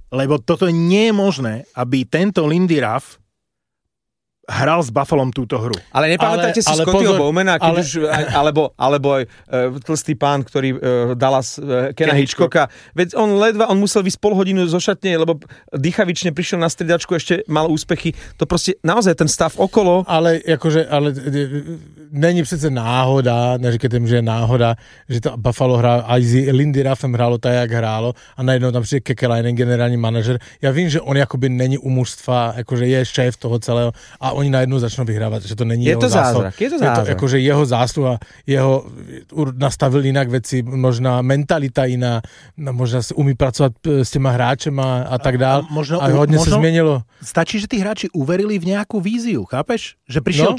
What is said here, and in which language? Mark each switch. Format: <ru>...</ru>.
<sk>Lebo toto nie je možné, aby tento Lindy Ruff hral s Buffalom túto hru. Ale nepamätajte si Scottieho Bowmana, alebo aj tlstý pán, ktorý Dallas, Kena Hitchcocka. Veď on ledva, on musel vysť pol hodinu zo šatne, lebo dýchavične prišiel na striedačku, ešte mal úspechy. To proste, naozaj ten stav okolo...</sk> <cs>Ale akože, ale není přece náhoda, neříkajte mi, že je náhoda, že to Buffalo hrá, aj s Lindy Ruffem hrálo tak, jak hrálo a najednou tam přijde Kekalainen, generální manažer. Ja vím, že on jakoby není u mužstva, akože je šéf toho celého. A oni najednou začnou vyhrávať, že to není je jeho zázrak. Je to zázrak. Je to akože jeho zásluha, jeho nastavil inak veci, možná mentalita iná, možná si umí pracovať s těma hráčema a tak dál. A hodně se změnilo.</cs> <sk>Stačí, že tí hráči uverili v nejakú víziu, chápeš? Že prišiel no?</sk>